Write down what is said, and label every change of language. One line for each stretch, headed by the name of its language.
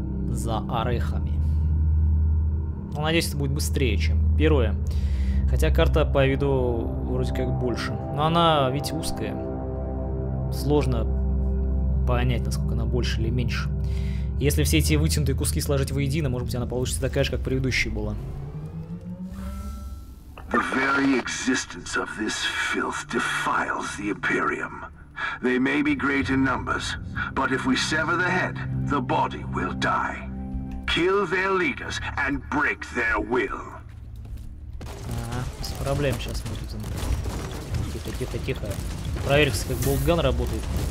Russian: За орехами. Ну, надеюсь, это будет быстрее, чем первое. Хотя карта по виду вроде как больше. Но она ведь узкая. Сложно понять, насколько она больше или меньше. Если все эти вытянутые куски сложить воедино, может быть, она получится такая же, как предыдущая была.
English: The very existence of this filth defiles the Imperium. They may be great in numbers, but if we sever the head, the body will die. Kill their leaders and break their will.
Russian: Ага, без проблем сейчас мы тут... Тихо. Проверим, как болтган работает.